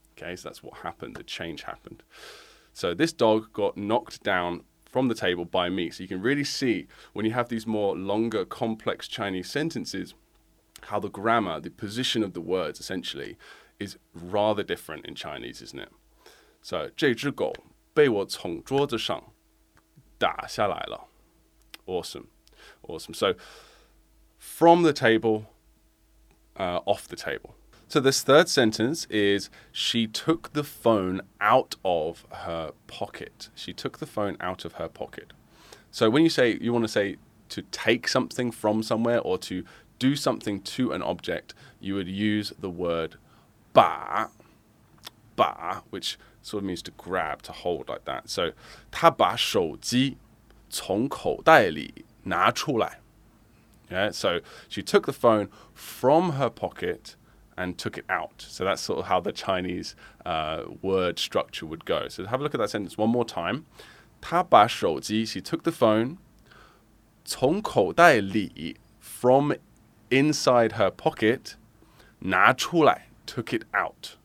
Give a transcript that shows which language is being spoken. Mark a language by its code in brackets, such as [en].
[en] Okay, so that's what happened, the change happened. So this dog got knocked down from the table by me. So you can really see when you have these more longer complex Chinese sentences how the grammar, the position of the words essentially, is rather different in Chinese, isn't it? [zh] So 这只狗被我从桌子上打下来了。 [en] Awesome. So from the table, off the table. So this third sentence is, she took the phone out of her pocket. She took the phone out of her pocket. So when you want to say to take something from somewhere or to do something to an object, you would use the word 把, 把, which sort of means to grab, to hold like that. [zh] So 她把手机从口袋里拿出来。 [en] Yeah, so she took the phone from her pocket and took it out. So that's sort of how the Chinese word structure would go. So have a look at that sentence one more time. [zh] 她把手机, [en] she took the phone, [zh] 从口袋里, [en] from inside her pocket, [zh] 拿出来, [en] took it out.